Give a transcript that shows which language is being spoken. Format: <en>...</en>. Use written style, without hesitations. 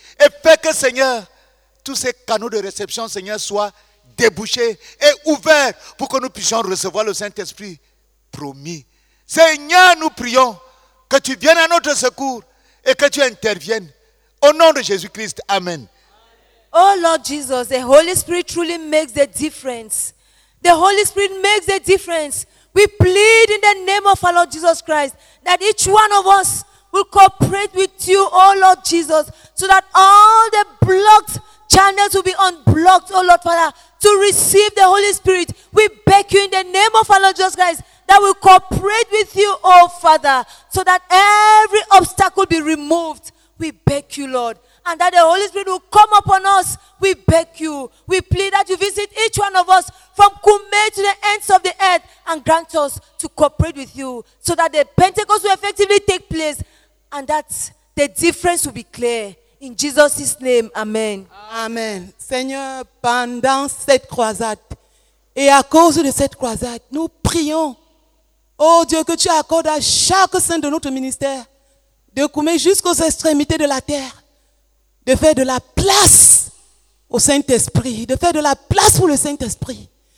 <fr>Et fais que, Seigneur, tous ces canaux de réception, Seigneur, soient débouchés et ouverts pour que nous puissions recevoir le Saint-Esprit promis. Seigneur, nous prions que tu viennes à notre secours et que tu interviennes. Au nom de Jésus-Christ, amen.</fr> <en>Oh Lord Jesus, the Holy Spirit truly makes the difference. The Holy Spirit makes the difference. We plead in the name of our Lord Jesus Christ that each one of us will cooperate with you, oh Lord Jesus, so that all the blocked channels will be unblocked, oh Lord Father, to receive the Holy Spirit. We beg you in the name of our Lord Jesus Christ that we cooperate with you, oh Father, so that every obstacle be removed. We beg you, Lord. And that the Holy Spirit will come upon us, we beg you. We plead that you visit each one of us from Kume to the ends of the earth and grant us to cooperate with you so that the Pentecost will effectively take place and that the difference will be clear. In Jesus' name, amen. Amen.</en> <fr>Seigneur, pendant cette croisade et à cause de cette croisade, nous prions, oh Dieu, que tu accordes à chaque saint de notre ministère de Kume jusqu'aux extrémités de la terre de faire de la place au Saint-Esprit, de faire de la place pour le Saint-Esprit.</fr>